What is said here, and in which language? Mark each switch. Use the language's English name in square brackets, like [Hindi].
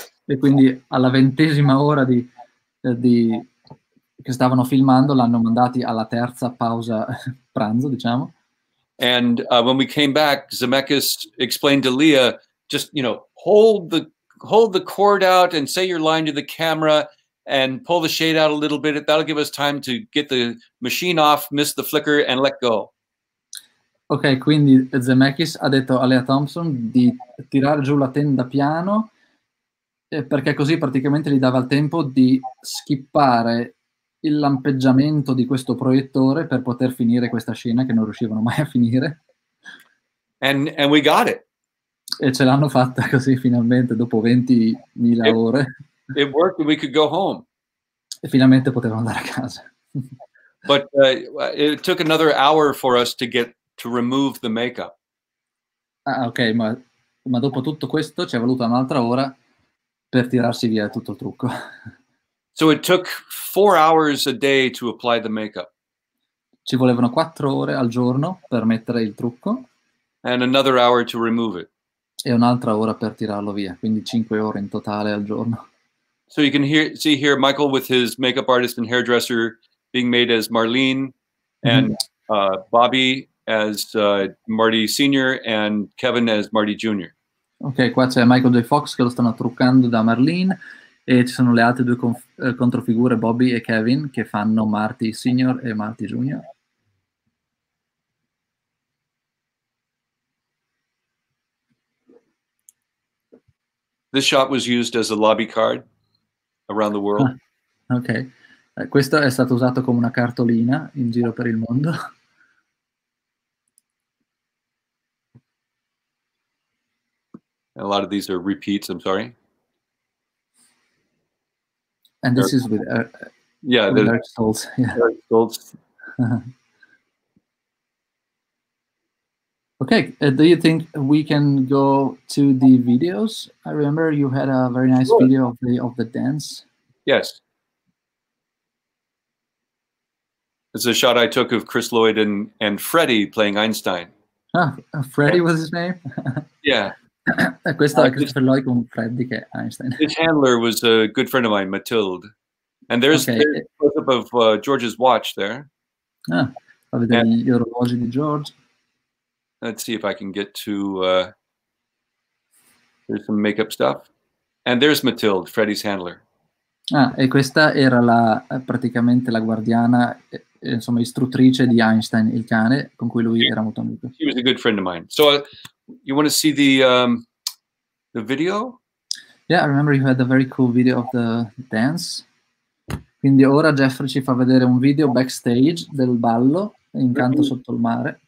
[Italian] E quindi alla ventesima ora di che stavano filmando, l'hanno mandati alla terza pausa pranzo, diciamo. [English] And when we came back, Zemeckis explained to Leah, just, you know, hold the cord out and say your line to the camera and pull the shade out a little bit. That'll give us time to get the machine off, miss the flicker and let go. [Italian] Ok, quindi Zemeckis ha detto a Leah Thompson di tirare giù la tenda piano, perché così praticamente gli dava il tempo di skippare il lampeggiamento di questo proiettore per poter finire questa scena che non riuscivano mai a finire. [English] And we got it. [Italian] E ce l'hanno fatta così finalmente dopo 20.000 ore. [English] It worked and we could go home. [Italian] E finalmente potevamo andare a casa. [English] But it took another hour for us to get to remove the makeup. [Italian] Ah, ok, ma dopo tutto questo ci è voluta un'altra ora per tirarsi via tutto il trucco. [English] So it took 4 hours a day to apply the makeup. [Italian] Ci volevano 4 ore al giorno per mettere il trucco. [English] And another hour to remove it. [Italian] E un'altra ora per tirarlo via, quindi 5 ore in totale al giorno. [English] So you can see here Michael with his makeup artist and hairdresser being made as Marlene, and Bobby as Marty Senior and Kevin as Marty Junior. [Italian] Ok, qua c'è Michael J. Fox che lo stanno truccando da Marlene e ci sono le altre due controfigure, Bobby e Kevin, che fanno Marty Senior e Marty Junior. [English] This shot was used as a lobby card around the world. [Italian] Ok, questo è stato usato come una cartolina in giro per il mondo. [English] A lot of these are repeats, I'm sorry. And this is with Eric Stoltz. Eric Stoltz. Okay, do you think we can go to the videos? I remember you had a very nice video of the dance. Yes. It's a shot I took of Chris Lloyd and Freddie playing Einstein. Ah, Freddie was his name? Yeah. [Italian] Questo è Christopher Lloyd con Freddy che è Einstein. [English] His handler was a good friend of mine, Mathilde. And there's a close-up of George's watch there. [Italian] Ah, fa vedere gli orologi di George. [English] Let's see if I can get to... there's some makeup stuff. And there's Mathilde, Freddy's handler. [Italian] Ah, e questa era la praticamente la guardiana, insomma, istruttrice di Einstein, il cane, con cui lui era molto amico. [English] He was a good friend of mine. So, you want to see the video? Yeah, I remember you had a very cool video of the dance. [Italian] Quindi ora Jeffrey ci fa vedere un video backstage del ballo in Canto sotto il mare.